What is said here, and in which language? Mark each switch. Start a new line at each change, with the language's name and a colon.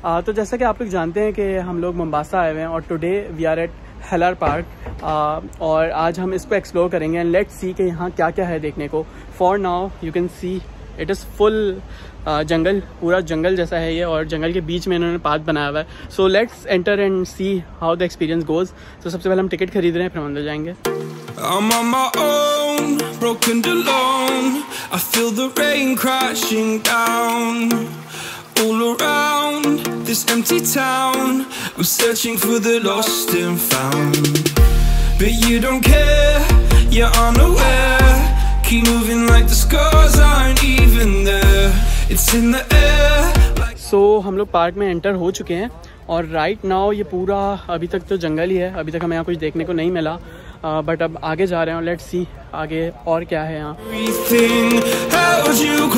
Hindi: तो जैसा कि आप लोग जानते हैं कि हम लोग मुंबासा आए हुए हैं और
English: today we are at Heller Park
Hindi: और आज हम इसको एक्सप्लोर करेंगे
English: and let's see
Hindi: कि यहाँ क्या क्या है देखने को।
English: for now you can see it is full jungle,
Hindi: पूरा जंगल जैसा है ये और जंगल के बीच में इन्होंने पाथ बनाया हुआ है।
English: So let's enter and see how the experience goes.
Hindi: तो सबसे पहले हम टिकट खरीद रहे हैं फिर अंदर जाएंगे।
English: I'm on my own, broken and alone. I feel the rain crashing down. All around this empty town, I'm searching for the lost and found. But you don't care, you're unaware. Keep moving like the scars aren't even there. It's in the air.
Hindi: So हम लोग park में enter हो चुके हैं और
English: right now
Hindi: ये पूरा अभी तक तो जंगल ही है, अभी तक हमें यहाँ कुछ देखने को नहीं मिला, बट अब आगे जा रहे हैं और
English: let's see
Hindi: आगे और क्या है यहाँ।